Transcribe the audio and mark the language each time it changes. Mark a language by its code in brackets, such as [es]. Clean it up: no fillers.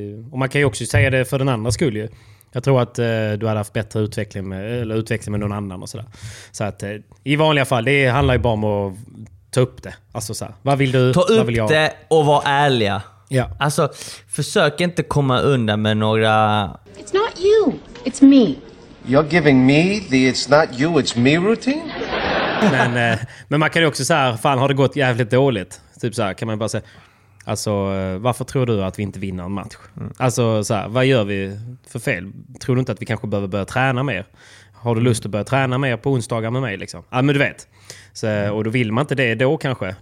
[sv] Och man kan ju också säga det för den andra skull ju. Jag tror att du hade haft bättre utveckling med någon annan och sådär. Så att i vanliga fall, det handlar ju bara om att ta upp det. Alltså så här, vad vill du? Ta upp vad vill jag? Det och vara ärliga. Ja. Alltså, försök inte komma undan med några... [en] It's not you, it's me. You're giving me the it's not you, it's me routine? [sv] Men man kan ju också säga, fan har det gått jävligt dåligt. Typ så här, kan man bara säga, alltså varför tror du att vi inte vinner en match? Alltså så här, vad gör vi för fel? Tror du inte att vi kanske behöver börja träna mer? Har du lust att börja träna mer på onsdagar med mig liksom? Ja, men du vet. Så, och då vill man inte det då kanske.